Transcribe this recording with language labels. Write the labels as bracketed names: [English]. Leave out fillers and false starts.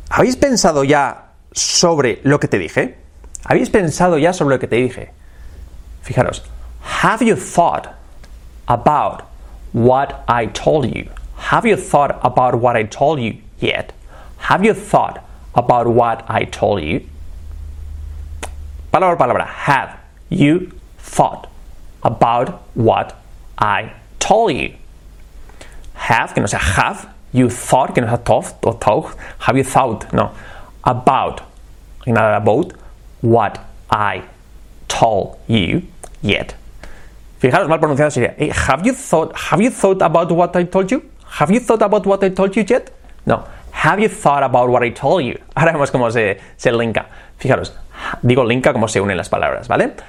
[Spanish] ¿Habéis pensado ya sobre lo que te dije? ¿Habéis pensado ya sobre lo que te dije? Fijaros. [English] Have you thought about what I told you? Have you thought about what I told you yet? Have you thought about what I told you? [Spanish] Palabra, palabra. [English] Have you thought about what I told you? Have, [Spanish] que no sea [English] have. You thought, que no sea thought or thought. Have you thought, no. About, not about, what I told you yet. [Spanish] Fijaros, mal pronunciado sería, [English] hey, have you thought about what I told you? Have you thought about what I told you yet? No, have you thought about what I told you? [Spanish] Ahora vemos cómo se linka. Fijaros, digo linka como se unen las palabras, ¿vale?